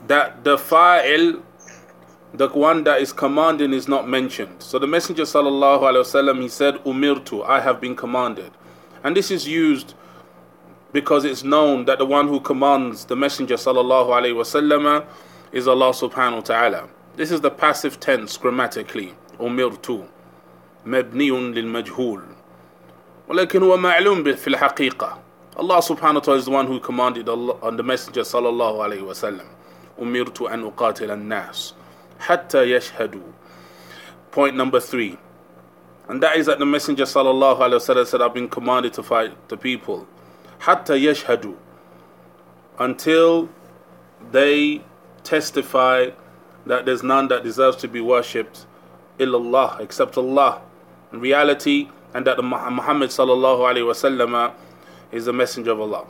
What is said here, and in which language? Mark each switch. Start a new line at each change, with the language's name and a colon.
English: that the fa'il, the one that is commanding, is not mentioned. So the Messenger sallallahu alaihi wasallam, he said, umirtu, I have been commanded. And this is used because it's known that the one who commands the Messenger sallallahu alaihi wasallam is Allah subhanahu wa ta'ala. This is the passive tense grammatically.
Arabic: أمرتُ مبنيٌ للمجهول ولكن هو معلوم في الحقيقة.
English: Allah subhanahu wa ta'ala is the one who commanded Allah and the Messenger sallallahu alayhi wa sallam.
Arabic: أمرتُ أن أقاتل الناس حتى يشهدوا.
English: Point number three. And that is that the Messenger sallallahu alayhi wa sallam said, I've been commanded to fight the people.
Arabic: حتى يشهدوا.
English: Until they testify that there's none that deserves to be worshipped illallah, except Allah, in reality, and that Muhammad sallallahu alayhi wa sallam is the messenger of Allah.